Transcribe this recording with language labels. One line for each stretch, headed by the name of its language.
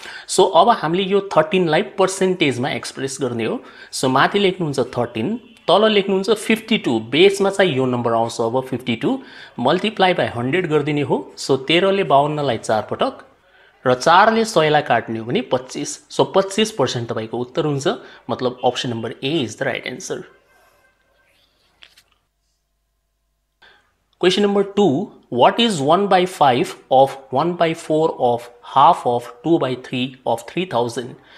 Nepali: So अब हामीले यो 13 लाई पर्सेन्टेजमा एक्सप्रेस गर्ने हो. सो माथि लेख्नु हुन्छ 13, तल लेख्नु हुन्छ 52. बेसमा चाहिँ यो नम्बर आउँछ. अब 52 मल्टिप्लाई बाइ 100 गर्दिने हो. सो 13 ले 52 लाई 4 पटक र 4 ले 100 लाई काट्ने हो भने 25. सो 25% तपाईको उत्तर हुन्छ.
English: मतलब option number A is the right answer. Question number 2, what is 1/5 of 1/4 of half of 2/3 of 3000?